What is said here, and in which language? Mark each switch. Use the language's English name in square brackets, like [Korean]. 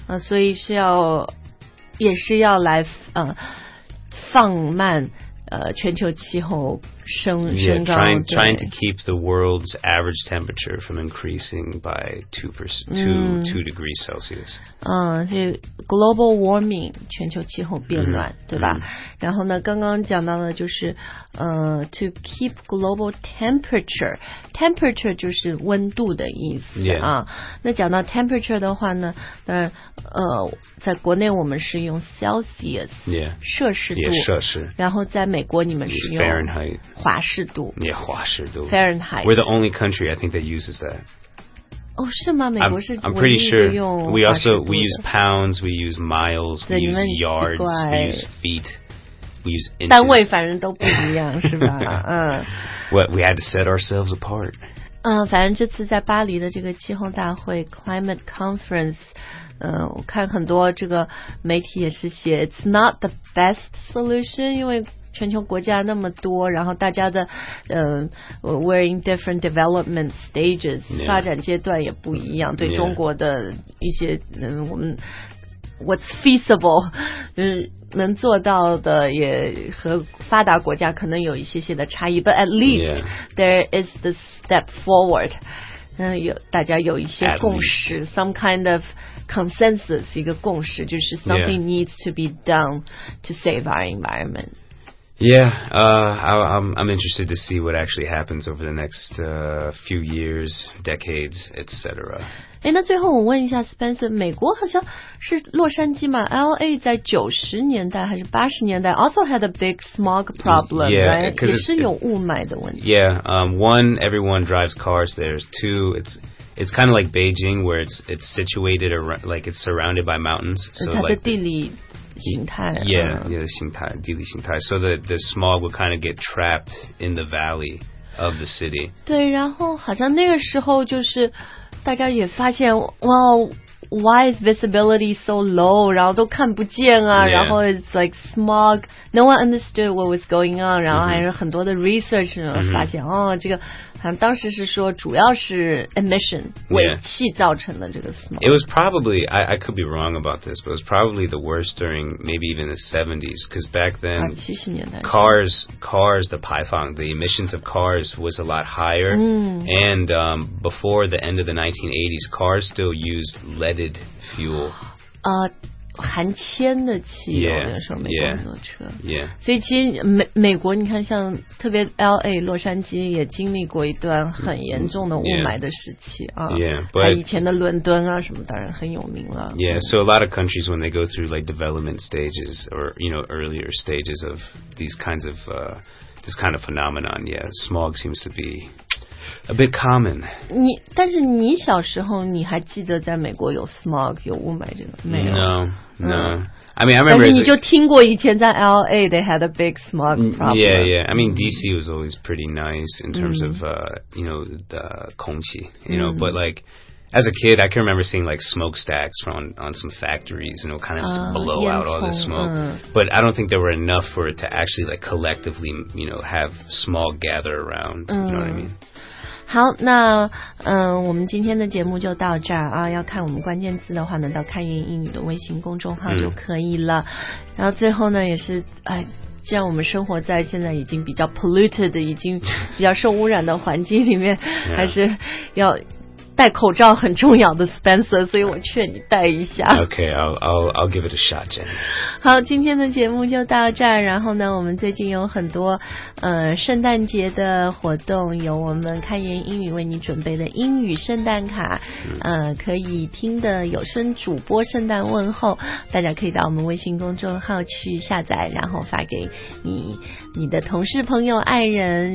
[Chinese] 所以是要也是要来放慢全球气候升高。 [English] Yeah, trying to keep the world's average temperature from increasing by 2 degrees Celsius. [Chinese] 所以 global warming, 全球气候变暖、对吧、然后呢刚刚讲到的就是 [English] to keep global temperature, temperature [Chinese] 就是温度的意思、那讲到 temperature 的话呢在国内我们是用 Celsius, [English] yeah, [Chinese] 摄氏度 yeah, 摄氏然后在美国你们是用 [English] Fahrenheit. [Chinese] 华氏度 yeah, 华氏度 [English] Fahrenheit. We're the only country I think that uses that. [Chinese] Oh, 是吗？美国是 [English] I'm pretty sure. We use pounds, we use miles, we use yards, we use feet, we use inches. [Chinese] 单位反正都不一样，是吧？ [English] What we had to set ourselves apart. [Chinese] 反正这次在巴黎的这个气候大会 Climate Conference, 我看很多这个媒体也是写 [English] It's not the best solution， [Chinese] 因为全球国家那么多，然后大家的 [English] we're in different development stages、 yeah. [Chinese] 发展阶段也不一样，对中国的一些、 [English] yeah. [Chinese] 我们 [English] what's feasible [Chinese] 能做到的也和发达国家可能有一些些的差异， [English] but at least、 yeah. there is the step forward， [Chinese] 有大家有一些共识， [English] some kind of consensus， [Chinese] 一个共识就是 [English] something、 yeah. needs to be done to save our environment Yeah, I'm interested to see what actually happens over the next few years, decades, etc. [Chinese] 诶，那最后我问一下 Spencer， 美国好像是洛杉矶嘛， LA 在90年代还是80年代 [English] also had a big smog problem, yeah, [Chinese] right? 也是有雾霾的问题。 [English] Yeah, one, everyone drives cars there. Two, it's kind of like Beijing where it's situated around, like it's surrounded by mountains. So [Chinese] 它的地理形态 [English] yeah, yeah, [Chinese] 形态地理形态 [English] so the smog would kind of get trapped in the valley of the city. [Chinese] 对，然后好像那个时候就是大家也发现 [English] well, why is visibility so low? [Chinese] 然后都看不见啊、 [English] yeah. 然后 it's like smog, no one understood what was going on, [Chinese] 然后还是很多的 [English] research、 mm-hmm. [Chinese] 发现、mm-hmm. 哦这个当时是说主要是 emission、 [English] yeah. [Chinese] 尾气造成的这个 smog. [English] It was probably, I could be wrong about this, but it was probably the worst during maybe even the 70s, because back then,、cars, the python, the emissions of cars was a lot higher,、 mm. and、before the end of the 1980s, cars still used leaded fuel. [Chinese] 含铅的汽油 [English] yeah, [Chinese] 那个时候美国很多车 [English] yeah, yeah. [Chinese] 所以其实 美国你看像特别 LA 洛杉矶也经历过一段很严重的雾霾的时期 [English] yeah, 啊 yeah, but [Chinese] 还以前的伦敦啊什么当然很有名了 [English] yeah, so a lot of countries when they go through like development stages or you know earlier stages of these kinds of this kind of phenomenon yeah, smog seems to beA bit common. [Chinese] 你但是你小时候你还记得在美国有 smog 有雾霾这个没有 [English] No, no.、I mean, I remember. [Chinese] 但是你就听过以前在 LA [English] they had a big smog problem. Yeah, yeah. I mean, DC was always pretty nice in terms、mm. of, you know, the 空气 you know,、mm. but like, as a kid, I can remember seeing like smokestacks on some factories and it would kind of just blow out all the smoke.、But I don't think there were enough for it to actually like collectively, you know, have smog gather around,、you know what I mean? [Chinese] 好，那我们今天的节目就到这儿啊。要看我们关键字的话呢，到开云英语的微信公众号就可以了。嗯、然后最后呢，也是哎，既然我们生活在现在已经比较 polluted， 已经比较受污染的环境里面，还是要戴口罩很重要的 Spencer， 所以我劝你戴一下。 [English] Okay, I'll give it a shot, Jen. [Chinese] 好，今天的节目就到这儿。然后呢，我们最近有很多圣诞节的活动，有我们开言英语为你准备的英语圣诞卡，可以听的有声主播圣诞问候，大家可以到我们微信公众号去下载，然后发给你的同事、朋友、爱人。